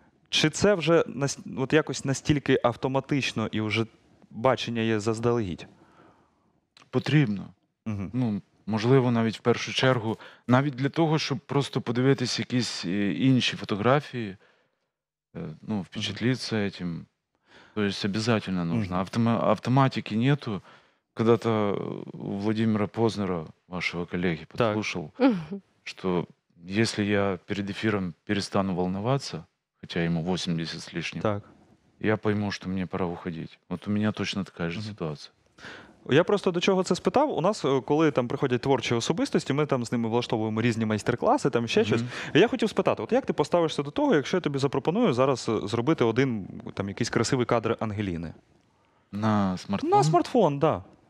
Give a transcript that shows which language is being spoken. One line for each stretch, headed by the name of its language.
Ukrainian: Чи це вже от якось настільки автоматично і вже бачення є заздалегідь? Потрібно. Угу. Ну, можливо, навіть в першу чергу. Навіть для того, щоб просто подивитись якісь інші фотографії, ну,
Russian: впечатлиться этим. То есть обязательно нужно. Автоматики нету. Когда-то у Владимира Познера, вашего коллеги, подслушал, так, что если я перед эфиром перестану волноваться, хотя ему 80 с лишним, так, я пойму, что мне пора уходить. Вот у меня точно такая же ситуация.
Ukrainian: Я просто до чого це спитав. У нас, коли там приходять творчі особистості, ми там з ними влаштовуємо різні майстер-класи, там ще щось. Я хотів спитати, от як ти поставишся до того, якщо я тобі запропоную зараз зробити один там якийсь красивий кадр Ангеліни? На смартфон? На смартфон, так. Да.